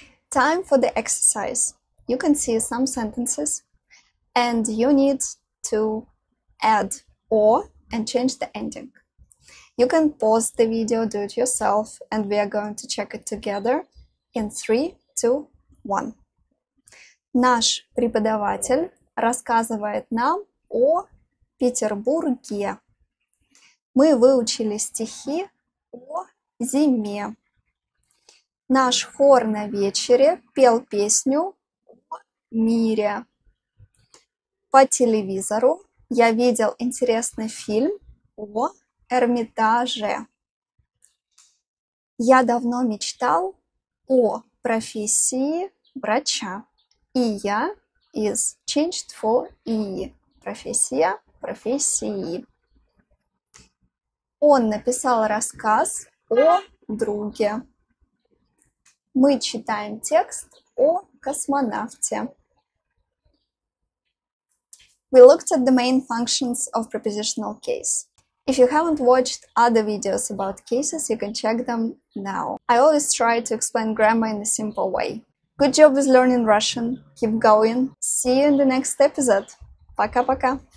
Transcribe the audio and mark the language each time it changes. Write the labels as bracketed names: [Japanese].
[English] Time for the exercise. You can see some sentences. And you need to add or and change the ending. You can pause the video, do it yourself, and we are going to check it together in 3, 2, 1. [Russian] Наш преподаватель рассказывает нам о Петербурге. Мы выучили стихи о зиме. Наш хор на вечере пел песню о мире. По телевизору я видел интересный фильм о Эрмитаже. Я давно мечтал о профессии врача. [English] И я is changed for и. [Russian] Профессия, профессии. Он написал рассказ о друге. Мы читаем текст о космонавте. [English] We looked at the main functions of prepositional case. If you haven't watched other videos about cases, you can check them now. I always try to explain grammar in a simple way. Good job with learning Russian. Keep going. See you in the next episode. [Russian] Пока-пока.